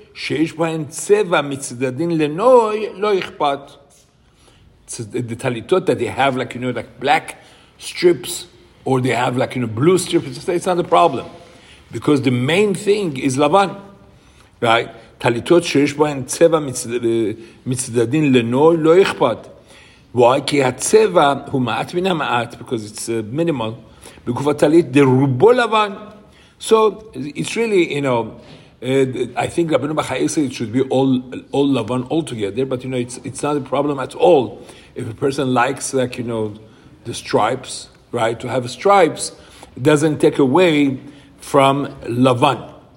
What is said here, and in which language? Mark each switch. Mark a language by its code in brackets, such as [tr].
[he] שיש בהן צבע מצדדין לנוי, לא אכפת. [en] The talitot that they have, like, you know, like black strips, or they have, like, you know, blue strips, it's not a problem. Because the main thing is לבן. Right? [he] Talitot שיש בהן צבע מצדדין לנוי, לא אכפת. [en] Why? [he] כי הצבע הוא מעט מן המעט, [en] because it's minimal. [he] בגוף הטלית, דרובו לבן. [en] So, it's really, you know, I think Rabbeinu Bachai said it should be all lavan altogether, but you know it's not a problem at all if a person likes, like, you know, the stripes, right? To have stripes doesn't take away from lavan.